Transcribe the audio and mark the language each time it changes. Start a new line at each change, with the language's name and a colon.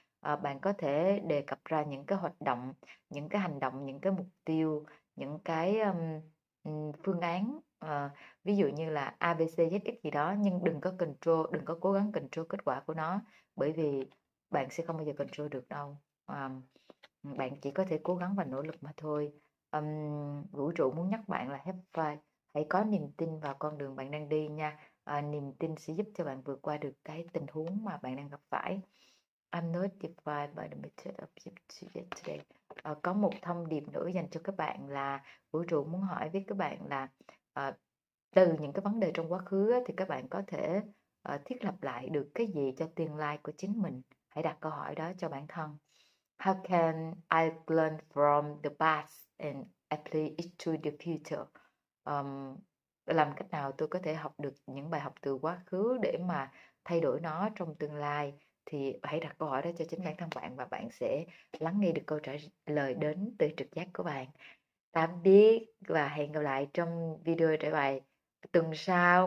Vietnamese: Bạn có thể đề cập ra những cái hoạt động, những cái hành động, những cái mục tiêu, những cái phương án, ví dụ như là A, B, C, Z, X gì đó, nhưng đừng có control, đừng có cố gắng control kết quả của nó, bởi vì bạn sẽ không bao giờ control được đâu. Bạn chỉ có thể cố gắng và nỗ lực mà thôi. Vũ trụ muốn nhắc bạn là hãy có niềm tin vào con đường bạn đang đi nha. Niềm tin sẽ giúp cho bạn vượt qua được cái tình huống mà bạn đang gặp phải.
English: I'm not defined by the method of you today.
Vietnamese: Có một thông điệp nữa dành cho các bạn là vũ trụ muốn hỏi với các bạn là từ những cái vấn đề trong quá khứ ấy, thì các bạn có thể thiết lập lại được cái gì cho tương lai của chính mình. Hãy đặt câu hỏi đó cho bản thân.
English: How can I learn from the past and apply it to the future?
Vietnamese: Làm cách nào tôi có thể học được những bài học từ quá khứ để mà thay đổi nó trong tương lai? Thì hãy đặt câu hỏi đó cho chính bản thân bạn và bạn sẽ lắng nghe được câu trả lời đến từ trực giác của bạn. Tạm biết và hẹn gặp lại trong video trải bài tuần sau.